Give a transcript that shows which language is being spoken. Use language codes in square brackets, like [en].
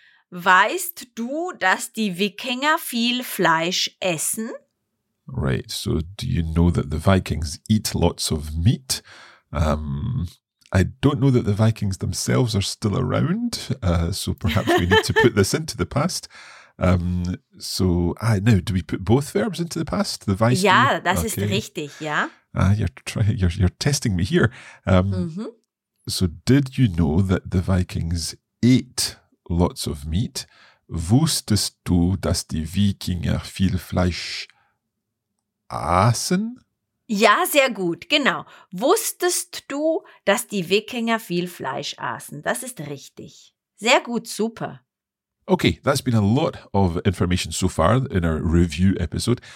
[de] Weißt du, dass die Wikinger viel Fleisch essen? [en] Right, so do you know that the Vikings eat lots of meat? I don't know that the Vikings themselves are still around, so perhaps we need to put this into the past. Now, do we put both verbs into the past? The Weißt ja, du? Das okay. ist richtig, ja. You're testing me here. So did you know that the Vikings ate lots of meat? [de] Wusstest du, dass die Wikinger viel Fleisch aßen? Ja, sehr gut, genau. Wusstest du, dass die Wikinger viel Fleisch aßen? Das ist richtig. Sehr gut, super. [en] Okay, that's been a lot of information so far in our review episode.